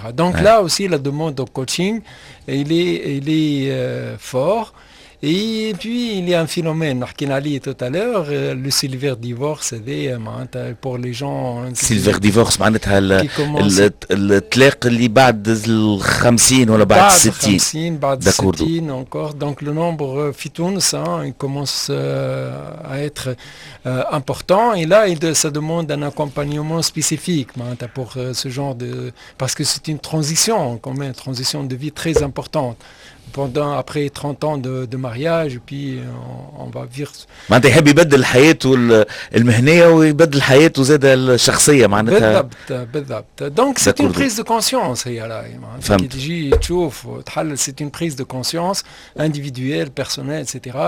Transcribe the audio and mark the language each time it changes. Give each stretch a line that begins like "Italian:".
French: Donc là aussi la demande au coaching il est fort. Et puis il y a un phénomène qu'on a dit tout à l'heure, le silver divorce, pour les gens
Arabic: silver divorce, معناتها الطلاق اللي بعد ال 50 ولا بعد ال 60 بعد ال 60
French: encore. Donc le nombre fitounes commence à être important, et là ça demande un accompagnement spécifique pour ce genre de, parce que c'est une transition quand même, transition de vie très importante. Pendant après 30 ans de mariage, et puis on va vivre.
Arabic: معناتها يحب يبدل حياته المهنيه ويبدل حياته زاد الشخصيه، معناتها بالضبط.
French: Donc c'est une prise de conscience.
Arabic: هي راهي فهمت تجي تشوف تحلل،
French: c'est une prise de conscience individuelle, personnelle, etc.